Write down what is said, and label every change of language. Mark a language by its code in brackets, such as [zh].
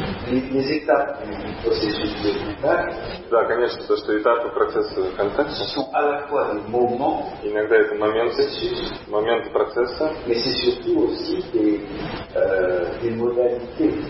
[fr] Les étapes du processus de contact. [ru] Да, конечно, то, что этапы процесса контакта. [fr] Sont à la fois des moments. [ru] Иногда это моменты процесса. [fr] Mais c'est surtout aussi des modalités.